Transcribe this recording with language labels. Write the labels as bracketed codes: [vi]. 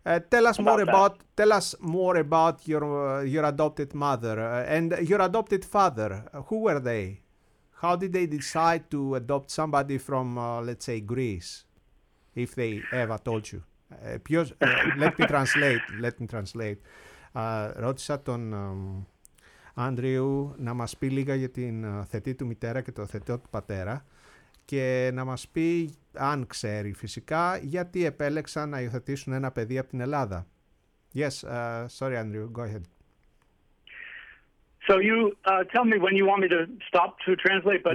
[en] Tell us more about your adopted mother and your adopted father. Who were they? How did they decide to adopt somebody from, let's say, Greece, if they ever told you? Let me translate. [el] Ρώτησα τον Άντριου να μας πει λίγα για την θετή του μητέρα και το θετό του πατέρα. Και να μας πει, αν ξέρει φυσικά, γιατί επέλεξαν να υιοθετήσουν ένα παιδί από την Ελλάδα. [en] Yes, sorry, Andrew, go ahead. So you tell me when you want me to stop to translate, but